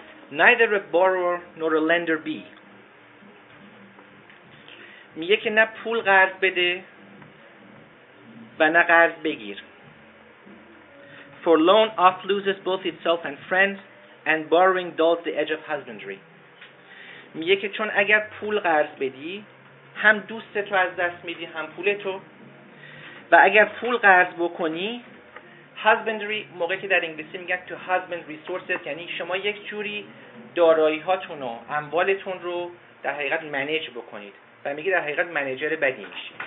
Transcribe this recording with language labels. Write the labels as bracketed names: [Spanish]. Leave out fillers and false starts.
[English] Neither a borrower nor a lender be. [Persian] میگه که نه پول قرض بده و نه قرض بگیر. [English] For loan oft loses both itself and friends, and borrowing dulls the edge of husbandry. [Persian] میگه که چون اگر پول قرض بدی هم دوستت رو از دست میدی هم پولتو، و اگر پول قرض بکنی husbandry، موقعی که در انگلیسی میگن [English] to husband resources، [Persian] یعنی شما یک جوری دارایی هاتون و اموالتون رو در حقیقت منیج بکنید، و میگه در حقیقت منیجر بدی میشه.